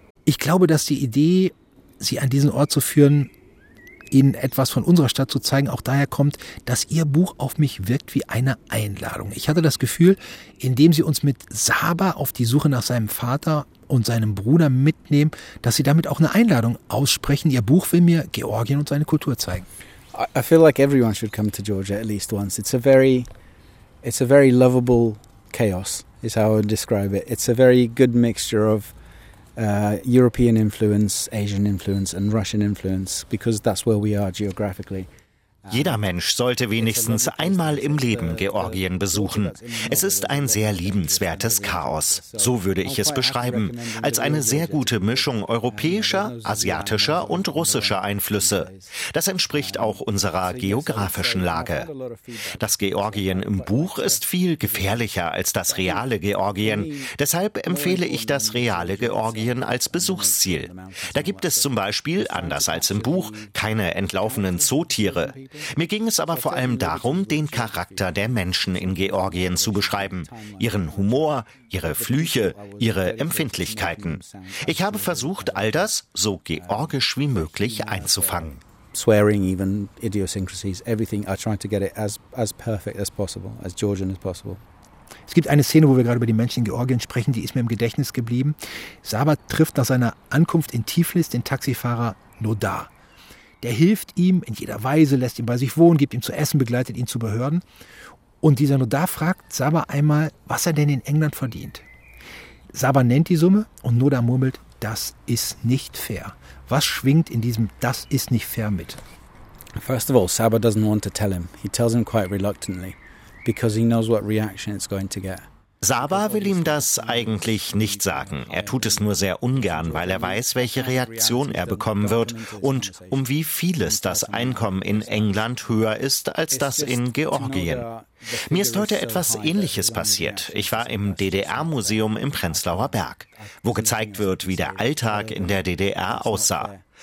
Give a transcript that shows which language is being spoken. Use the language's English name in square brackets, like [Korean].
[German] Ich glaube, dass die Idee, Sie an diesen Ort zu führen, Ihnen etwas von unserer Stadt zu zeigen, auch daher kommt, dass Ihr Buch auf mich wirkt wie eine Einladung. Ich hatte das Gefühl, indem Sie uns mit Saba auf die Suche nach seinem Vater und seinem Bruder mitnehmen, dass Sie damit auch eine Einladung aussprechen. Ihr Buch will mir Georgien und seine Kultur zeigen. [English] I feel like everyone should come to Georgia at least once. It's a very lovable chaos. Is how I would describe it. It's a very good mixture of European influence, Asian influence and Russian influence because that's where we are geographically. [German] Jeder Mensch sollte wenigstens einmal im Leben Georgien besuchen. Es ist ein sehr liebenswertes Chaos, so würde ich es beschreiben, als eine sehr gute Mischung europäischer, asiatischer und russischer Einflüsse. Das entspricht auch unserer geografischen Lage. Das Georgien im Buch ist viel gefährlicher als das reale Georgien. Deshalb empfehle ich das reale Georgien als Besuchsziel. Da gibt es zum Beispiel, anders als im Buch, keine entlaufenen Zootiere. Mir ging es aber vor allem darum, den Charakter der Menschen in Georgien zu beschreiben. Ihren Humor, ihre Flüche, ihre Empfindlichkeiten. Ich habe versucht, all das so georgisch wie möglich einzufangen. [English] Swearing, even idiosyncrasies, everything. I tried to get it as perfect as possible, as Georgian as possible. [German] Es gibt eine Szene, wo wir gerade über die Menschen in Georgien sprechen, die ist mir im Gedächtnis geblieben. Saba trifft nach seiner Ankunft in Tiflis den Taxifahrer Nodar. Der hilft ihm in jeder Weise, lässt ihn bei sich wohnen, gibt ihm zu essen, begleitet ihn zu Behörden. Und dieser Nodar fragt Saba einmal, was er denn in England verdient. Saba nennt die Summe und Nodar murmelt, das ist nicht fair. Was schwingt in diesem das ist nicht fair mit? [English] First of all, Saba doesn't want to tell him. He tells him quite reluctantly, because he knows what reaction it's going to get. [German] Saba will ihm das eigentlich nicht sagen. Er tut es nur sehr ungern, weil er weiß, welche Reaktion er bekommen wird und um wie vieles das Einkommen in England höher ist als das in Georgien. Mir ist heute etwas Ähnliches passiert. Ich war im DDR-Museum im Prenzlauer Berg, wo gezeigt wird, wie der Alltag in der DDR aussah.